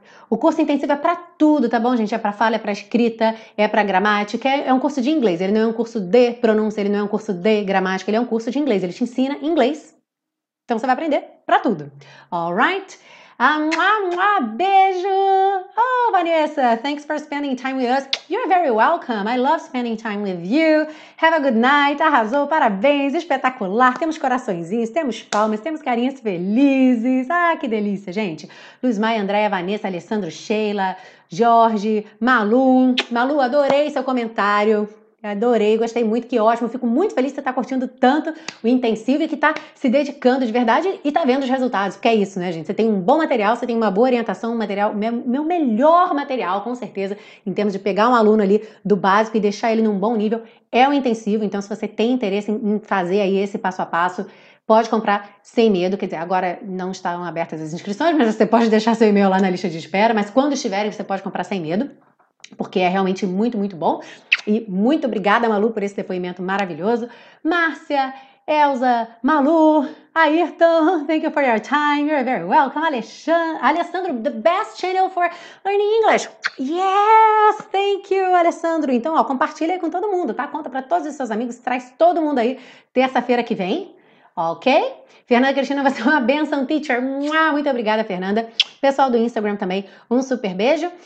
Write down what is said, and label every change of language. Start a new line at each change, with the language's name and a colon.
Portuguese: O curso intensivo é para tudo, tá bom, gente? É para fala, é para escrita, é para gramática. É um curso de inglês. Ele não é um curso de pronúncia, ele não é um curso de gramática. Ele é um curso de inglês. Ele te ensina inglês. Então você vai aprender para tudo.
English: Alright?
Portuguese: Beijo!
English: Oh, Vanessa, thanks for spending time with us. You're very welcome. I love spending time with you. Have a good night.
Portuguese: Arrasou, parabéns. Espetacular. Temos coraçõezinhos, temos palmas, temos carinhas felizes. Ah, que delícia, gente. Luz Maia, Andréia, Vanessa, Alessandro, Sheila, Jorge, Malu. Malu, adorei seu comentário. Adorei, gostei muito, que ótimo. Fico muito feliz que você está curtindo tanto o intensivo e que está se dedicando de verdade e está vendo os resultados, porque é isso, né, gente? Você tem um bom material, você tem uma boa orientação, um material, meu melhor material, com certeza, em termos de pegar um aluno ali do básico e deixar ele num bom nível, é o intensivo. Então, se você tem interesse em fazer aí esse passo a passo, pode comprar sem medo. Quer dizer, agora não estão abertas as inscrições, mas você pode deixar seu e-mail lá na lista de espera, mas quando estiverem, você pode comprar sem medo, porque é realmente muito, muito bom. E muito obrigada, Malu, por esse depoimento maravilhoso.
English: Márcia, Elza, Malu, Ayrton, thank you for your time. You're very welcome. Alessandro, the best channel for learning English. Yes, thank you, Alessandro.
Portuguese: Então, ó, compartilha aí com todo mundo, tá? Conta para todos os seus amigos, traz todo mundo aí terça-feira que vem. Ok? Fernanda Cristina, você é uma benção, teacher. Muito obrigada, Fernanda. Pessoal do Instagram também, um super beijo.